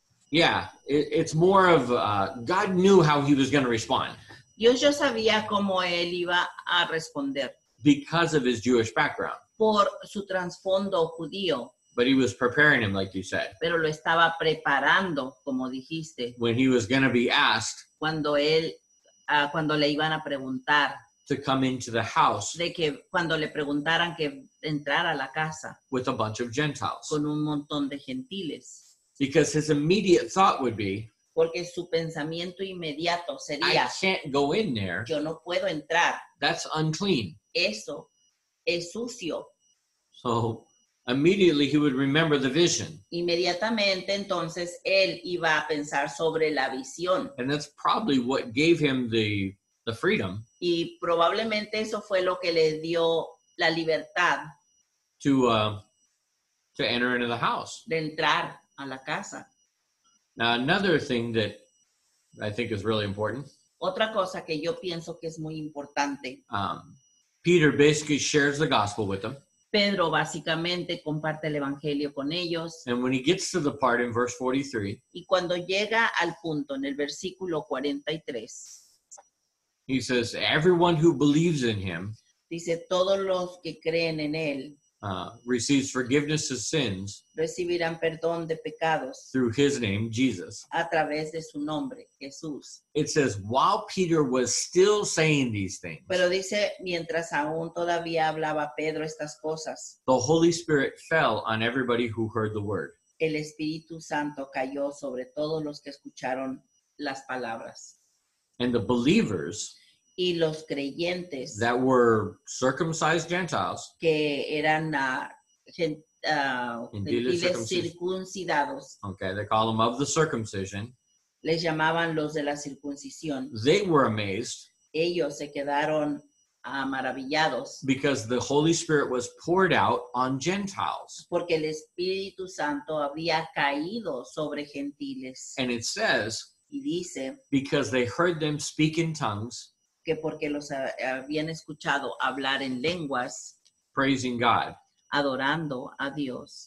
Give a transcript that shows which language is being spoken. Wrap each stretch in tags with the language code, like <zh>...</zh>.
<en>Yeah, it's more of God knew how he was going to respond.</en> <es>Dios ya sabía cómo él iba a responder.</es> <en>Because of his Jewish background.</en> <es>Por su trasfondo judío.</es> <en>But he was preparing him, like you said.</en> <es>Pero lo estaba preparando, como dijiste.</es> <en>When he was going to be asked.</en> <es>Cuando él, cuando le iban a preguntar.</es> <en>To come into the house.</en> <es>De que cuando le preguntaran que entrara a la casa.</es> <en>With a bunch of Gentiles.</en> <es>Con un montón de gentiles.</es> <en>Because his immediate thought would be,</en> <es>porque su pensamiento inmediato sería,</es> <en>I can't go in there.</en> <es>Yo no puedo entrar.</es> <en>That's unclean.</en> <es>Eso es sucio.</es> <en>So immediately he would remember the vision.</en> <es>Inmediatamente entonces él iba a pensar sobre la visión.</es> <en>And that's probably what gave him the freedom.</en> <es>Y probablemente eso fue lo que le dio la libertad.</es> <en>To enter into the house.</en> <es>De entrar a la casa.</es> <en>Now another thing that I think is really important.</en> <es>Otra cosa que yo pienso que es muy importante.</es> <en>Peter basically shares the gospel with them.</en> <es>Pedro básicamente comparte el evangelio con ellos.</es> <en>And when he gets to the part in verse 43.</en> <es>Y cuando llega al punto en el versículo 43.</es> <en>He says, everyone who believes in him.</en> <es>Dice, todos los que creen en él.</es> <en>Receives forgiveness of sins.</en> <es>Recibirán perdón de pecados.</es> <en>Through his name, Jesus.</en> <es>A través de su nombre, Jesús.</es> <en>It says, while Peter was still saying these things.</en> <es>Pero dice, mientras aún todavía hablaba Pedro estas cosas.</es> <en>The Holy Spirit fell on everybody who heard the word.</en> <es>El Espíritu Santo cayó sobre todos los que escucharon las palabras.</es> <en>And the believers.</en> <es>Y los creyentes</es> <en>that were circumcised Gentiles</en> <es>que eran circuncidados.</es> <en>Okay, they call them of the circumcision.</en> <es>Les llamaban los de la circuncisión.</es> <en>They were amazed.</en> <es>Ellos se quedaron maravillados.</es> <en>Because the Holy Spirit was poured out on Gentiles.</en> <es>Porque el Espíritu Santo había caído sobre gentiles.</es> <en>And it says,</en> <es>y dice,</es> <en>because they heard them speak in tongues.</en> <es>Que porque los habían escuchado hablar en lenguas.</es> <en>Praising God.</en> <es>Adorando a Dios.</es>